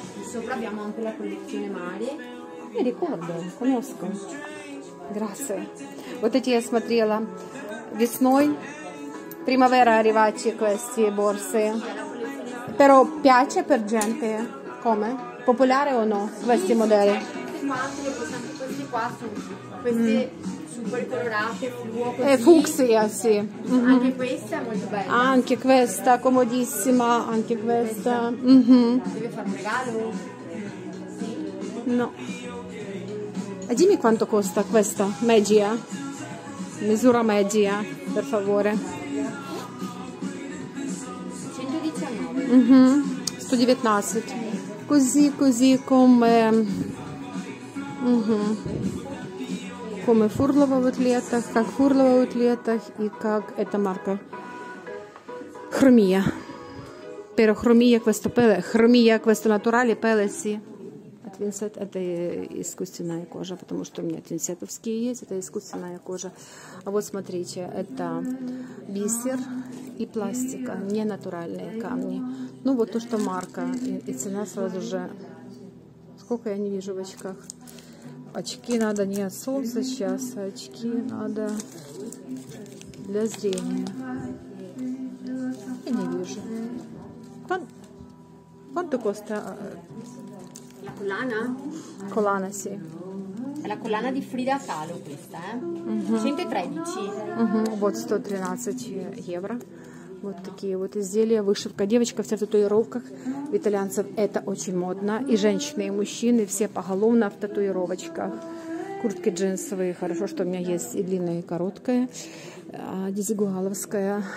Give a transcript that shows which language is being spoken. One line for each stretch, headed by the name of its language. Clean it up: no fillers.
Italian: Sopra abbiamo anche la collezione Mari. Mi ricordo, conosco. Grazie.
Russian: Вот эти я смотрела весной.
Italian: Primavera arrivati questi borse. Però piace per gente. Come? Popolare o no? Questi modelli. Questi qua sono super colorate, fluo. Fucsia, sì. Mm-hmm. Anche questa è molto bella. Anche questa, comodissima. Anche questa. Mm-hmm. Deve fare un regalo? No. E dimmi quanto costa questa media? Misura media, per favore. 119. Mm-hmm. 119. Così, così come... Mm-hmm.
Russian: Come Фурлова в атлетах, как Фурлова в атлетах и как эта марка. Хромия.
Italian: Però хромия questo pelle. Хромия questo naturale pelle, sì.
Russian: Твинсет – это искусственная кожа, потому что у меня твинсетовские есть, это искусственная кожа. А вот смотрите, это бисер и пластика, не натуральные камни. Ну вот то, что марка, и цена сразу же, сколько я не вижу в очках. Очки надо не от солнца сейчас, а очки надо для зрения. Я не вижу.
Italian: Quanto costa? Collana? Collana, sì. È la collana di Frida Kahlo questa, mm-hmm. 113.
Russian: Mm-hmm. Вот 113 евро. Вот такие вот изделия, вышивка. Девочка вся в татуировках. В итальянцев это очень модно. И женщины, и мужчины все поголовно в татуировочках. Куртки джинсовые. Хорошо, что у меня есть и длинная, и короткая. Дизигугаловская.